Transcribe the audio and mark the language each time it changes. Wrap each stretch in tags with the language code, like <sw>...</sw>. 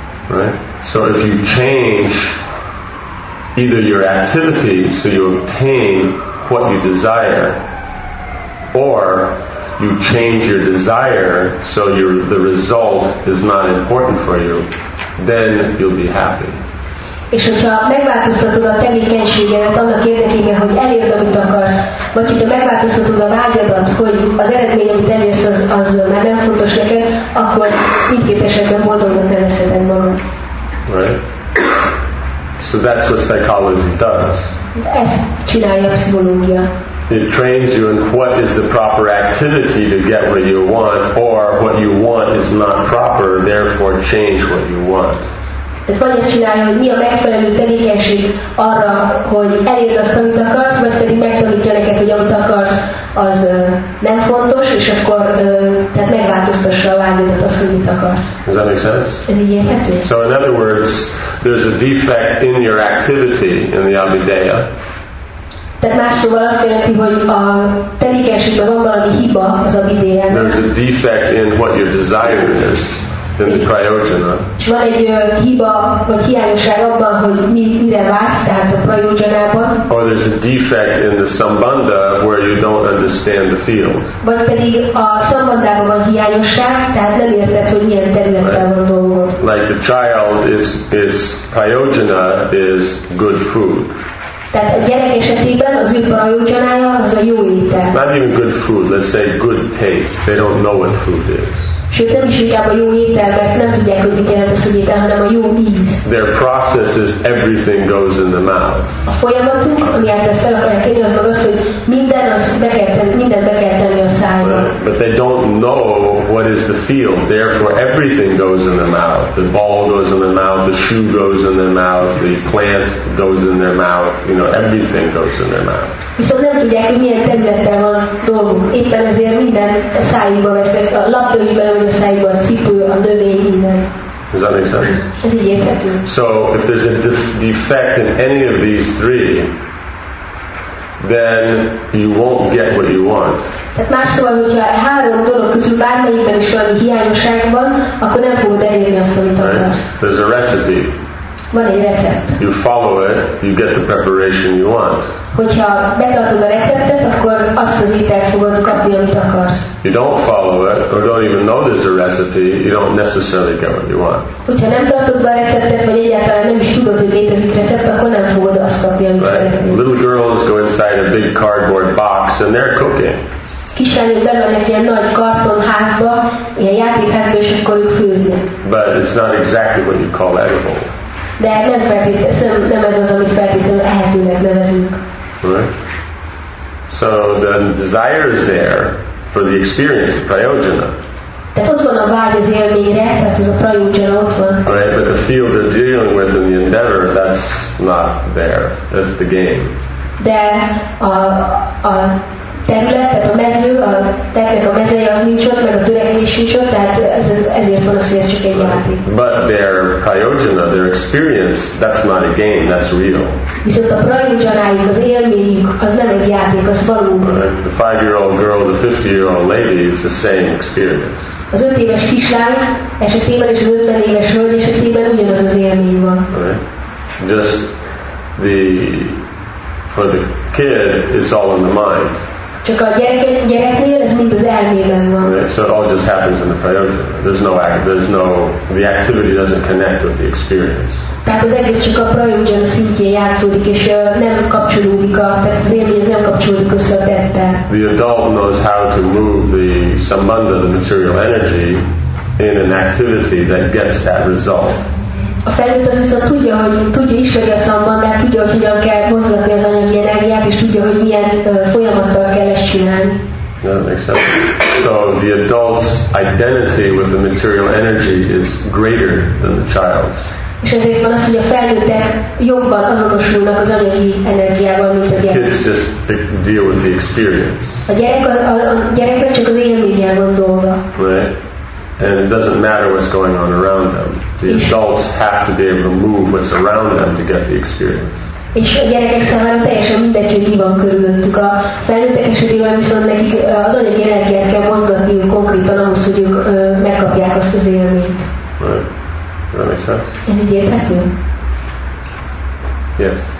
<en>Right? So if you change either your activity so you obtain what you desire, or you change your desire so the result is not important for you, then you'll be happy.</en> <hu>És hogyha megváltoztatod a tevékenységedet annak érdekében, hogy elérd, amit akarsz, vagy hogyha megváltoztatod a vágyadat, hogy az eredmény, amit elérsz, az már nem fontos neked, akkor mindkét esetben boldognak nevezheted magad.</hu> <en>Right. So that's what psychology does.</en> <hu>Ezt csinálja a pszichológia.</hu> <en>It trains you in what is the proper activity to get what you want, or what you want is not proper, therefore change what you want.</en> <hu>Tehát vagy ezt csinálja, hogy mi a megfelelő tevékenység arra, hogy elérd azt, amit akarsz, vagy pedig megtanítja neked, hogy amit akarsz, az nem fontos, és akkor tehát megváltoztassa a vágyodat azt, hogy mit akarsz.</hu> <en>Does that make sense?</en> <hu>Ez így érthető?</hu> <en>So in other words, there's a defect in your activity in the Abhideya.</en> <hu>Tehát más szóval azt jelenti, hogy a tevékenységben van valami hiba az Abhideyában.</hu> <en>There's a defect in what your desire is. In the prayojana.</en> <hu>És van egy hiba vagy hiányosság abban, hogy mire vágysz, tehát a prayojanában.</hu> <en>Or there's a defect in the sambandha where you don't understand the field.</en> <hu>Vagy pedig a sambandában van hiányosság, tehát nem érted, hogy milyen területen van dolgod.</hu> <en>Like the child is prayojana is good food.</en> <hu>Tehát a gyerek esetében az ő prayojanája az a jó étel.</hu> <en>Not even good food, let's say good taste. They don't know what food is.</en> <hu>Sőt, nem is inkább a jó étel, mert nem tudják, hogy mit jelent a szügyét, hanem a jó víz.</hu> <en>Their process is everything goes in the mouth.</en> <hu>A folyamatunk, ami által ezt el akarják kérni, az maga az, hogy minden az be kell tenni a szájba.</hu> <en>But they don't know what is the field. Therefore, everything goes in the mouth. The ball goes in the mouth. The shoe goes in their mouth. The plant goes in their mouth. You know, everything goes in their mouth.</en> <hu>Viszont nem tudják, hogy milyen területen van dolguk. Éppen ezért minden a szájba vesznek. A labdaik bele van a szájba, a cipő, a dövény, minden.</hu> <en>Does that make sense?</en> <hu>Ez így érthető.</hu> <en>So, if there's a defect in any of these three, then you won't get what you want.</en> <hu>Tehát más szóval, hogyha három dolog közül bármelyikben is valami hiányosság van, akkor nem fogod elérni azt, amit akarsz.</hu> <en>Right? There's a recipe.</en> <hu>Van egy recept.</hu> <en>You follow it, you get the preparation you want.</en> <hu>Hogyha betartod a receptet, akkor azt az ételt fogod kapni, amit akarsz.</hu> <en>You don't follow it, or don't even know there's a recipe, you don't necessarily get what you want.</en> <hu>Hogyha nem tartod be a receptet, vagy egyáltalán nem is tudod, hogy létezik recept, akkor nem fogod azt kapni, amit szeretnél.</hu> <en>Little girls go inside a big cardboard box, and they're cooking.</en> <hu>Kislányok bemennek ilyen nagy kartonházba, ilyen játékházba, és akkor ők főznek.</hu> <en>But it's not exactly what you call edible.</en> <hu>De nem ez az, amit feltétlenül ehetőnek nevezünk.</hu> <en>Right. So the desire is there for the experience, the prayojana.</en> <hu>Tehát ott van a vágy az élményre, tehát ez a prayojana ott van.</hu> <en>Right, but the field they're dealing with in the endeavor, that's not there. That's the game.</en> <hu>De a terület, tehát a mező, a terület, a mezei az nincs ott, meg a törekvés nincs ott, tehát ezért van az, hogy ez csak egy játék.</hu> <en>But their prayojana, their experience, that's not a game, that's real.</en> <hu>Viszont a prayojanáik, az élményük, az nem egy játék, az valóban.</hu> <en>Right. The 5-year-old girl, the 50-year-old lady, it's the same experience.</en> <hu>Az 5 éves kislány esetében és az 50 éves hölgy esetében ugyanaz az élmény van.</hu> <en>Right. Just the... For the kid, it's all in the mind.</en> <hu>Csak a gyereknél ez mind az elmében van.</hu> <en>Right, so it all just happens in the prayojana. The activity doesn't connect with the experience.</en> <hu>Tehát az egész csak a prayojana szintjén játszódik, és nem kapcsolódik a, tehát az élmény nem kapcsolódik össze a tette.</hu> <en>The adult knows how to move the sambandha, the material energy, in an activity that gets that result.</en> <hu>A felnőtt az viszont tudja, hogy tudja ismeri a szambandát, tudja, hogy hogyan kell mozgatni az anyagi energiát, és tudja, hogy milyen folyamattal kell ezt csinálni.</hu> <en>That makes sense. So the adult's identity with the material energy is greater than the child's.</en> <hu>És ezért van az, hogy a felnőttek jobban azonosulnak az anyagi energiával, mint a gyerek.</hu> <en>Kids just deal with the experience.</en> <hu>A gyerekben csak az élménnyel van dolga.</hu> <en>Right. And it doesn't matter what's going on around them. The adults have to be able to move what's around them to get the experience.</en> <hu>És a gyerekek számára teljesen mindegy, hogy mi van körülöttük. A felnőttek esetében viszont nekik az anyagi energiát kell mozgatniuk konkrétan ahhoz, hogy ők megkapják azt az élményt.</hu> <en>Right. That makes sense?</en> <hu>Ez így érthető?</hu> <en>Yes.</en>